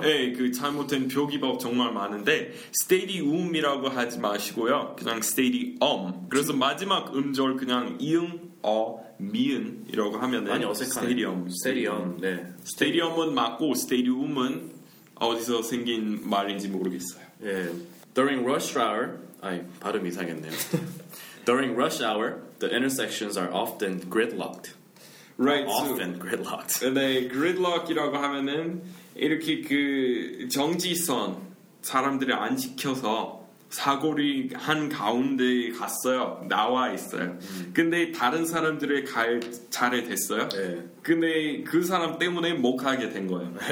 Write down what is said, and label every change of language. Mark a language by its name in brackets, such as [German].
[Korean] 네, 그 잘못된 표기법 정말 많은데 스테디움이라고 하지 마시고요. 그냥 스테디엄. 그래서 마지막 음절 그냥 이응 어 미은 이라고 하면 많이 어색하네. 스테디엄. 스테디엄. 네. 스테디엄은 맞고 스테디움은 어디서 생긴 말인지 모르겠어요. 예. [English] During rush hour, [Korean] 아이 발음 이상했네요. [English] During rush hour, the intersections are often gridlocked. Right. Often so, gridlocked. [Korean] 네, gridlock이라고 하면은 이렇게 그 정지선 사람들이 안 지켜서 사거리 한 가운데 갔어요. 나와 있어요. 근데 다른 사람들의 갈 차례 됐어요. 네. 근데 그 사람 때문에 못 가게 된 거예요.